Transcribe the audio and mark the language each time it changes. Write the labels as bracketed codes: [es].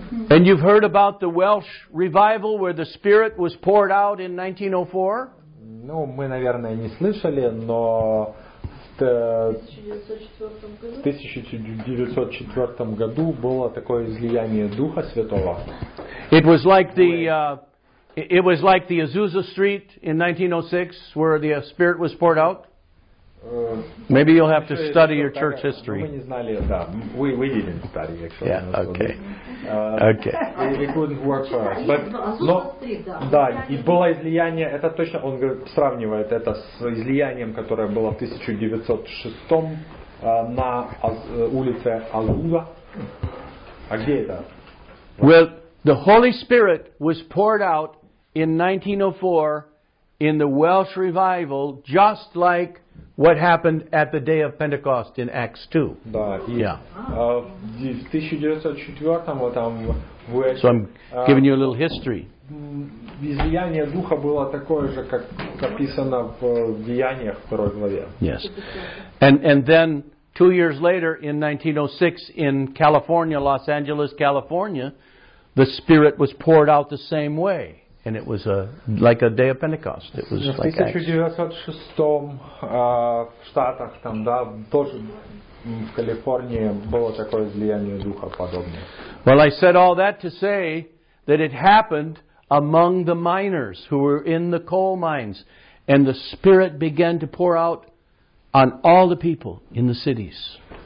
[en] And you've heard about the Welsh revival where the spirit was poured out in 1904? [ru] Ну, мы, наверное, не слышали, но в 1904 году было такое излияние Духа Святого. [en] It was like the Azusa Street in 1906 where the spirit was poured out. Maybe you'll have to study your church history. [ru] Мы не знали, да. [en] We didn't study actually. Yeah, okay. Okay. It couldn't work for us. But no, [ru] да, и было излияние, это точно, он сравнивает это с излиянием, которое было в 1906 на улице Азуза. А где это? [en] Well, the Holy Spirit was poured out in 1904 in the Welsh revival, just like what happened at the day of Pentecost in Acts 2. [ru] Да, и, [en] yeah. [ru] В 1904-м вот там в Уэльсе. [en] So I'm giving you a little history. [ru] Излияние духа было такое же, как описано в Деяниях в 2 главе. [en] Yes. And then 2 years later in 1906 in California, Los Angeles, California, the Spirit was poured out the same way. And it was like a day of Pentecost. It was like Acts. [ru] В 1906 в Штатах, там, да, тоже в Калифорнии было такое излияние духа подобное. [en] Well, I said all that to say that it happened among the miners who were in the coal mines, and the Spirit began to pour out on all the people in the cities.